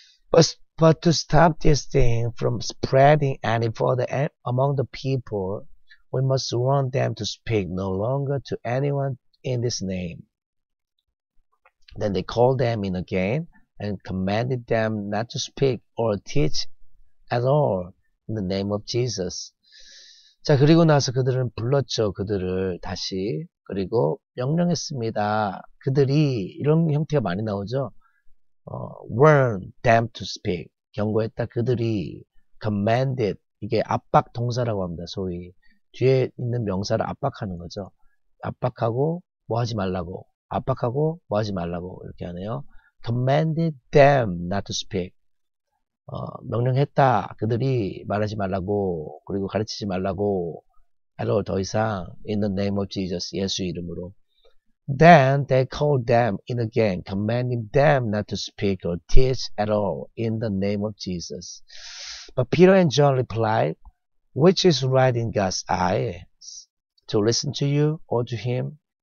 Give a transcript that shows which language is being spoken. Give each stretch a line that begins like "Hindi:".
English: But to stop this thing from spreading any further among the people, we must warn them to speak no longer to anyone in this name. Then they called them in again and commanded them not to speak or teach at all in the name of Jesus.
Korean: 자, 그리고 나서 그들은 불렀죠. 그들을 다시. 그리고 명령했습니다. 그들이, 이런 형태가 많이 나오죠.
English: Warn them to speak.
Korean: 경고했다. 그들이
English: commanded.
Korean: 이게 압박 동사라고 합니다. 소위. 뒤에 있는 명사를 압박하는 거죠. 압박하고 뭐 하지 말라고. 압박하고 뭐 하지 말라고. 이렇게 하네요.
English: commanded them not to speak.
Korean: 명령했다. 그들이 말하지 말라고. 그리고 가르치지 말라고.
English: at all
Korean: 더 이상.
English: in the name of Jesus.
Korean: 예수 이름으로.
English: Then they called them in again, commanding them not to speak or teach at all in the name of Jesus. But Peter and John replied, "Which is right in God's eyes, to listen to you or to him?